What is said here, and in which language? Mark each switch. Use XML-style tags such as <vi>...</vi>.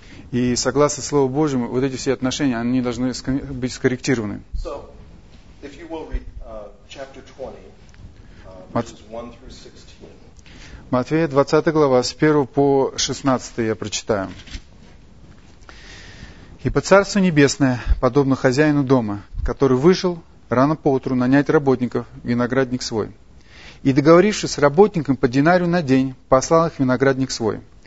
<ru>И согласно Слову Божьему, вот эти все отношения, они должны быть скорректированы.</ru> <en>So, if you will read, chapter 20, verses 1 through 16.</en> <ru>Матфея 20 глава, с 1 по 16 я прочитаю. «Ибо Царство Небесное, подобно хозяину дома, который вышел рано поутру нанять работников виноградник свой. И договорившись с работником по динарию на день, послал их виноградник свой.</ru>